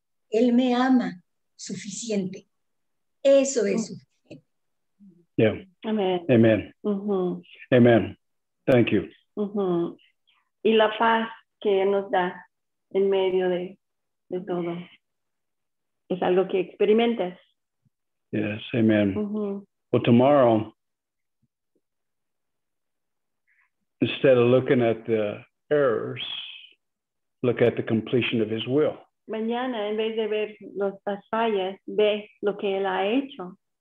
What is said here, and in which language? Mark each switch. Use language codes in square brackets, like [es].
[es] Él me ama suficiente. Eso es suficiente. [en] Yeah. [es] Amén. Amén. Amén. [en] Thank you. [es] Y la paz que nos da en medio de todo es algo que experimentas. [en] Yes, amen. Well, tomorrow, instead of looking at the errors, look at the completion of His will. [es] Mañana, en vez de ver las fallas, ve lo que Él ha hecho.